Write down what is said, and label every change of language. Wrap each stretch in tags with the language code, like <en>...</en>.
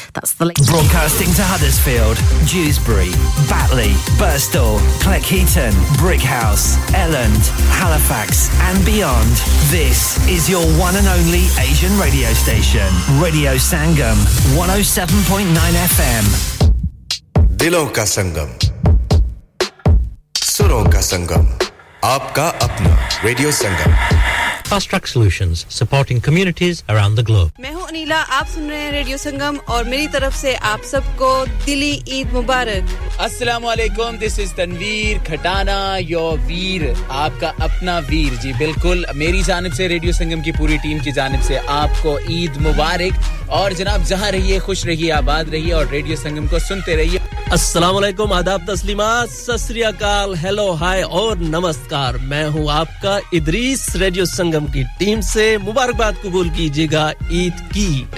<en>That's the latest. Broadcasting to Huddersfield, Dewsbury, Batley, Birstall, Cleckheaton, Brickhouse, Elland, Halifax and beyond. This is your one and only Asian radio station. Radio Sangam, 107.9 FM.</en> <hi>दिलों का संगम, सुरों का संगम, आपका अपना radio Sangam.</hi> <en>Fast Track Solutions, supporting communities around the globe.</en> <hi>मैं हूँ अनीला, आप सुन रहे हैं रेडियो संगम और मेरी तरफ से आप सबको दिली ईद मुबारक.</hi> <en>Assalamualaikum, this is Tanveer Khatana, your veer,</en> <hi>आपका अपना veer. जी बिल्कुल, मेरी जानिब से रेडियो संगम की पूरी टीम की जानिब से आपको ईद मुबारक और जनाब जहाँ रहिए खुश रहिए आबाद रहिए और रेडियो संगम को सुनते रहिए. Assalamualaikum, आदाब तस्लीमात, सत श्री अकाल, हेलो हाय और नमस्कार. मैं हूँ आपका इदरीस, रेडियो संगम की टीम से मुबारकबाद कबूल कीजिएगा ईद की.</hi>